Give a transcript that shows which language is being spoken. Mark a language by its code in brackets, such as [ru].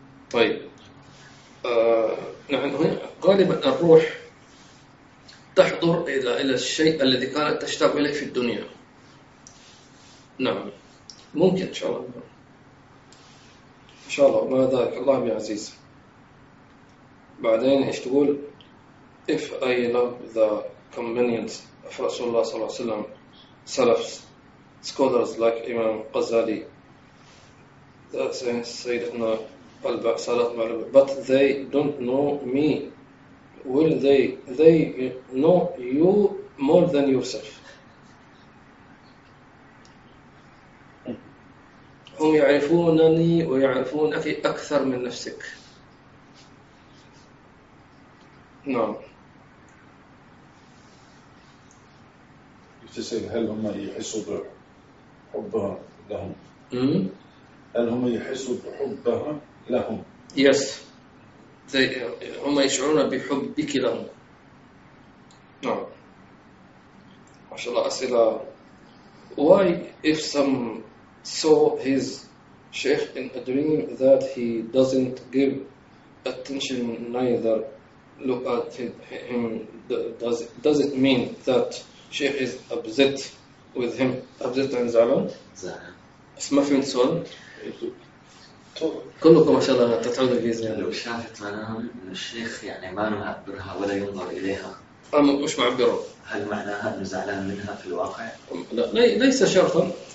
[ar] طيب نحن غالبا الروح تحضر الى الشيء الذي كانت تشتاق اليه في الدنيا. نعم ممكن ان شاء الله ما ذلك الله يا عزيز. بعدين ايش تقول؟ [en] if I love the companions of Rasulullah صلى الله عليه وسلم Salafs, scholars like Imam Ghazali, Sayyidina Al-Baqsalat, but they don't know me. Will they know you more than yourself? [ar] هم يعرفونني ويعرفونك أكثر من نفسك. نعم. تسأل هل هم يحسوا بحب لهم؟ هل هم يحسوا بحب لهم؟ [en] yes they [ar] هم يشعرون بحبك لهم. نعم ما شاء الله. أسئلة. [en] why if some saw his sheikh in a dream that he doesn't give attention neither look at him does it mean that شيخ is upset with him, upset and زعلان؟ [ar] زعلان. اسمه فين سؤال؟ كلكم ما شاء الله تتعودوا في زين. لو شافت منام إن الشيخ يعني ما معبرها ولا ينظر إليها. أم مش معبره؟ هل معناها إنه زعلان منها في الواقع؟ لا ليس شرطا.